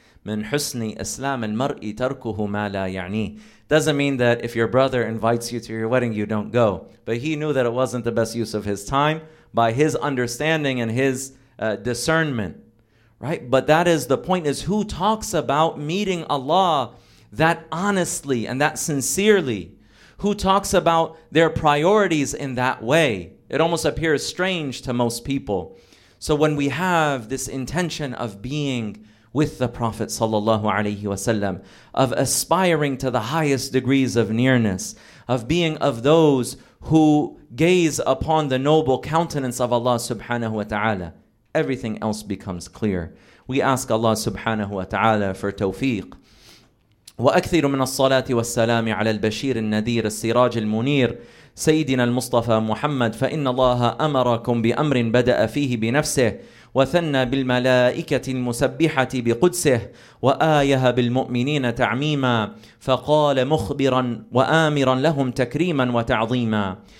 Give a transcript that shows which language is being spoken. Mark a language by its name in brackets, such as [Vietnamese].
[Arabic] من حسن إسلام المرء تركه ما لا يعني. [English] Doesn't mean that if your brother invites you to your wedding, you don't go. But he knew that it wasn't the best use of his time by his understanding and his discernment. Right? But that is the point, is who talks about meeting Allah that honestly and that sincerely? Who talks about their priorities in that way? It almost appears strange to most people. So when we have this intention of being with the Prophet sallallahu alaihi wasallam, of aspiring to the highest degrees of nearness, of being of those who gaze upon the noble countenance of Allah subhanahu wa ta'ala, everything else becomes clear. We ask Allah subhanahu wa ta'ala for tawfiq. [Arabic] وأكثر من الصلاة والسلام على البشير النذير السراج المنير سيدنا المصطفى محمد، فإن الله أمركم بأمر بدأ فيه بنفسه وثنى بالملائكة المسبحة بقدسه وآيها بالمؤمنين تعميما، فقال مخبرا وآمرا لهم تكريما وتعظيما: